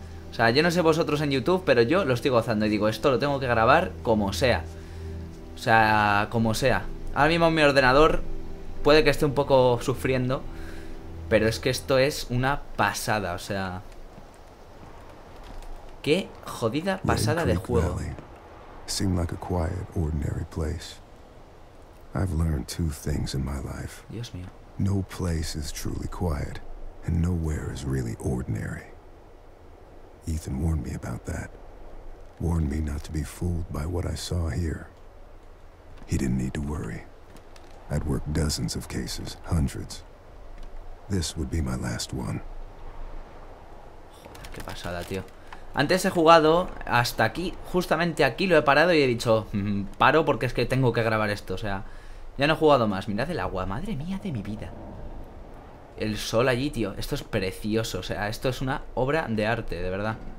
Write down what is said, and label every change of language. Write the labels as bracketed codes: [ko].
[es] O sea, yo no sé vosotros en YouTube, pero yo lo estoy gozando. Y digo, esto lo tengo que grabar como sea. O sea, como sea. Ahora mismo mi ordenador puede que esté un poco sufriendo, pero es que esto es una pasada. O sea, qué jodida pasada de juego. [en] Seemed like a quiet, ordinary place. I've learned two things in my life. [es] Dios mío. [en] No place is truly quiet, and nowhere is really ordinary. Ethan warned me about that. Warned me not to be fooled by what I saw here. He didn't need to worry. I'd worked dozens of cases, hundreds. This would be my last one. [es] Joder, qué pasada, tío. Antes he jugado hasta aquí, justamente aquí lo he parado y he dicho, paro porque es que tengo que grabar esto, o sea, ya no he jugado más. Mirad el agua, madre mía de mi vida. El sol allí, tío. Esto es precioso. O sea, esto es una obra de arte, de verdad.